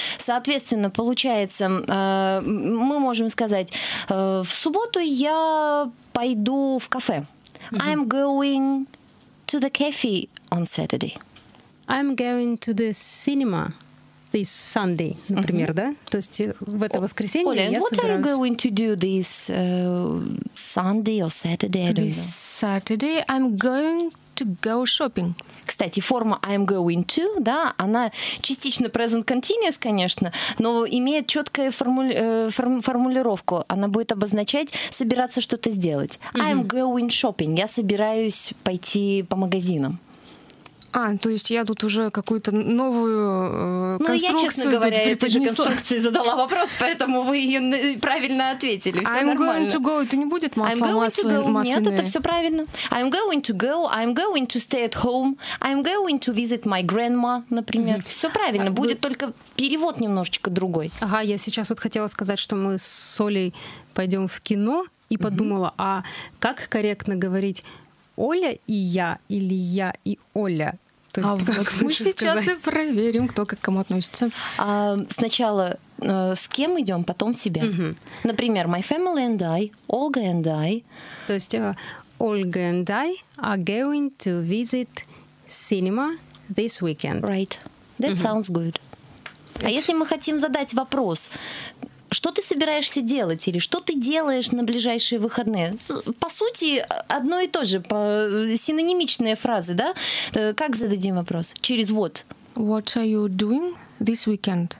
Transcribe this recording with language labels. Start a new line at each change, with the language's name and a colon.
Russian: Соответственно, получается, мы можем сказать, в субботу я пойду в кафе.
English: Угу. I'm going to the cafe on Saturday. I'm going to the cinema this Sunday, например, mm-hmm. да?
Russian: То есть в это воскресенье Оля, я
English: what
Russian: собираюсь...
English: What are you going to do this Sunday or Saturday? This Saturday I'm going to go shopping.
Russian: Кстати, форма
English: I'm going to,
Russian: да, она частично present continuous, конечно, но имеет четкую формулировку. Она будет обозначать собираться что-то сделать.
English: Mm-hmm. I'm going shopping.
Russian: Я собираюсь пойти по магазинам. А, то есть я тут уже какую-то новую конструкцию преподнесла. Ну, я, честно говоря, этой же конструкции задала вопрос, поэтому вы ее правильно ответили.
English: I'm
Russian: нормально.
English: Going to go,
Russian: это не будет масло масляное.
English: I'm going
Russian: масло,
English: to go,
Russian: масляное. Нет, это все правильно.
English: I'm going to go, I'm going to stay at home, I'm going to visit my grandma, например. Mm-hmm.
Russian: Все правильно, будет только перевод немножечко другой. Ага, я сейчас вот хотела сказать, что мы с Олей пойдем в кино, и mm-hmm. подумала, а как корректно говорить... Оля и я, или я и Оля? То есть, как мы сейчас сказать? И проверим, кто как к кому относится. Сначала с кем идем, потом себя.
English: Угу. Например, my family and I, Olga and I.
Russian: То есть,
English: Olga and I are going to visit cinema this weekend. Right. That sounds good.
Russian: А если мы хотим задать вопрос... Что ты собираешься делать или что ты делаешь на ближайшие выходные? По сути, одно и то же, синонимичные фразы, да? Как зададим вопрос? Через what?
English: What are you doing this weekend?